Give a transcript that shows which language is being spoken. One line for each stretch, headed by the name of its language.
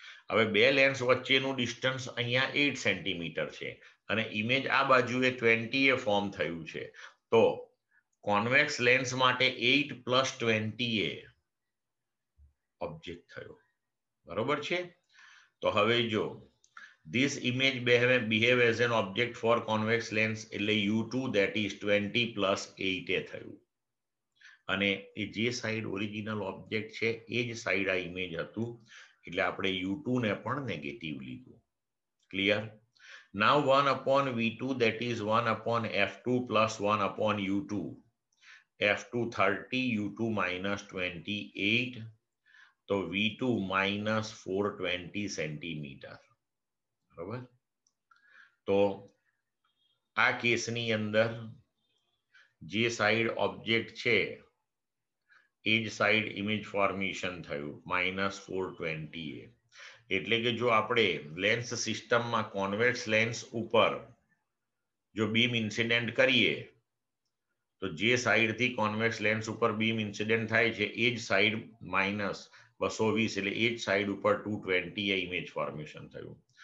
Gujarati: હવે બે લેન્સ વચ્ચેનું ડિસ્ટન્સ અહીંયા 8 સેન્ટીમીટર છે અને ઇમેજ આ બાજુએ 20 એ ફોર્મ થયું છે, તો કોન્વેક્સ લેન્સ માટે 8 પ્લસ 20 એ ઓબ્જેક્ટ થયો, બરોબર છે? તો હવે જો
English: This image behave as an object for convex lens, એટલે U2 that is 20 plus 8
Gujarati: એ થયું. અને એ જે સાઈડ ઓરિજિનલ ઓબ્જેક્ટ છે એ જ સાઈડ આ ઇમેજ હતું, એટલે આપણે U2 ને પણ નેગેટિવ લીધું. Clear?
English: Now 1 upon V2 that is 1 upon F2 plus 1 upon U2. F2 30, U2 minus 28, તો V2 minus 420 centimetre.
Gujarati: તો આ કેસની અંદર જે સાઈડ ઓબ્જેક્ટ છે એ જ સાઈડ ઇમેજ ફોર્મેશન થયું માઇનસ 420 એ. એટલે કે જો આપણે લેન્સ સિસ્ટમમાં કોન્વેક્સ લેન્સ ઉપર જો બીમ ઇન્સિડેન્ટ કરીએ તો જે સાઈડથી કોન્વેક્સ લેન્સ ઉપર બીમ ઇન્સિડેન્ટ થાય છે એ જ સાઈડ માઇનસ 220 એટલે એ જ સાઈડ ઉપર 220 એ ઇમેજ ફોર્મેશન થયું.